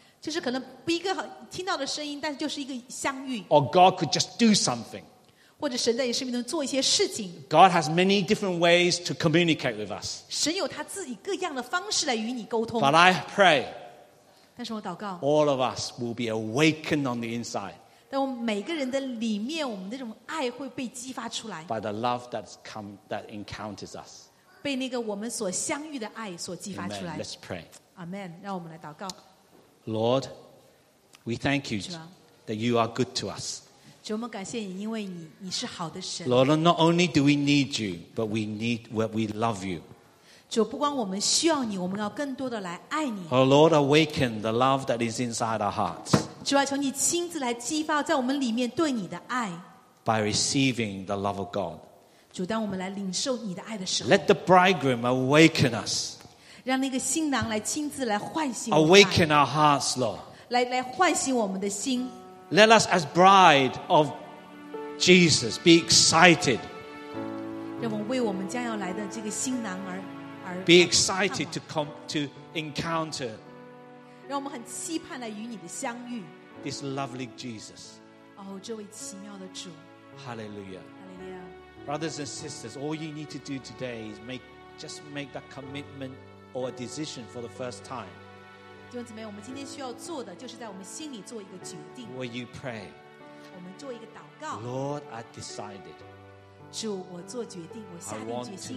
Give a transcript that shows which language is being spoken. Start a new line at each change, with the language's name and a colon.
Chinese: 就是可能不一个听到的声音但是就是一个相遇
English: Or God could just do something
Chinese: 或者神在你生命中做一些事情
English: God has many different ways to communicate with us
Chinese: 神有他自己各样的方式来与你沟通
English: But I pray
Chinese: 但是我祷告
English: All of us will be awakened on the inside
Chinese: 但我们每个人的里面我们的这种爱会被激发出来
English: By the love that's come, that encounters us.
Chinese: 被那个我们所相遇的爱所激发出来
English: Amen. Let's pray.
Chinese: Amen. 让我们来祷告
English: Lord, we thank you that you are good to us.
Chinese: 主我们感谢你因为你是好的神
English: Lord, not only do we need you, but we love you.
Chinese: 主不光我们需要你我们要更多的来爱你
English: Oh Lord, awaken the love that is inside our hearts.
Chinese: 主啊，求你亲自来激发在我们里面对你的爱。
English: By receiving the love of God，
Chinese: 主，当我们来领受你的爱的时候
English: ，Let the bridegroom awaken us，
Chinese: 让那个新郎来亲自来唤醒。
English: Awaken our hearts, Lord，
Chinese: 来唤醒我们的心。
English: Let us as bride of Jesus be excited，
Chinese: 让我们为我们将要来的这个新郎而
English: be excited to encounter。
Chinese: 让我们很期盼来与你的相遇。
English: This lovely Jesus.
Chinese: 哦，这位奇妙的主。
English: Hallelujah. Hallelujah. Brothers and sisters, all you need to do today is make that commitment or a decision for the first time.
Chinese: 弟兄姊妹，我们今天需要做的就是在我们心里做一个决定。
English: Will you pray?
Chinese: 我们做一个祷告。
English: Lord, I decided.
Chinese: 主，我做决定，我下定决心。